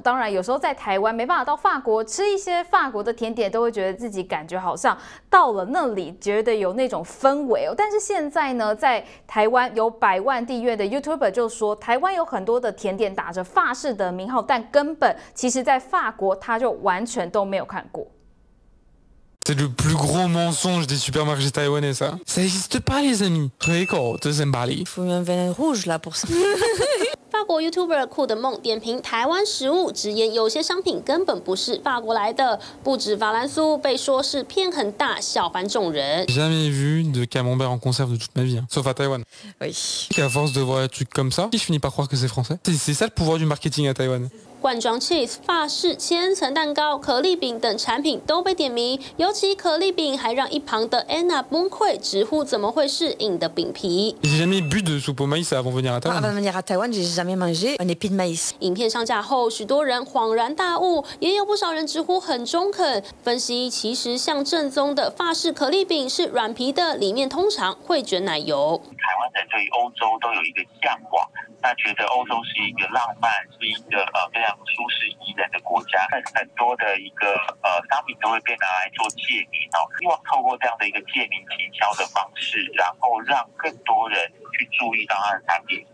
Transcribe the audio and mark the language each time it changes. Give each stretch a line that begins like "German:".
Chinese: 当然，有时候在台湾没办法到法国吃一些法国的甜点，都会觉得自己感觉好像到了那里，觉得有那种氛围哦。但是现在呢，在台湾有百万订阅的 YouTuber 就说，台湾有很多的甜点打着法式的名号，但根本其实在法国他就完全都没有看过。
French: C'est le plus gros mensonge des supermarchés taïwanais, ça. Ça n'existe pas, les amis. Récord, ça c'est Bali. Faut mieux un vénin rouge, là, pour ça.
Chinese: 法国 YouTuber 酷的梦点评台湾食物，直言有些商品根本不是法国来的，不止法兰酥被说是骗很大，笑翻众人。
French: Jamais vu de camembert en conserve de toute ma vie, sauf à Taïwan. Oui. À force de voir des trucs comme ça, je finis par croire que c'est français. C'est ça le pouvoir du marketing à Taïwan.
Chinese: 罐装 cheese、法式千层蛋糕、可丽饼等产品都被点名，尤其可丽饼还让一旁的 Anna 崩溃，直呼怎么会是硬的饼皮。
French: J'ai jamais bu de soupe au maïs avant venir à Taïwan. Avant venir à Taïwan, j'ai jamais mangé un épi de maïs.
Chinese: 影片上架后，许多人恍然大悟，也有不少人直呼很中肯。分析其实像正宗的法式可丽饼是软皮的，里面通常会卷奶油。台湾人对于欧洲都有一个向往。他觉得欧洲是一个浪漫，是一个非常舒适宜人的国家，很多的一个商品都会被拿来做借名，然后希望透过这样的一个借名行销的方式，然后让更多人去注意到他的产品。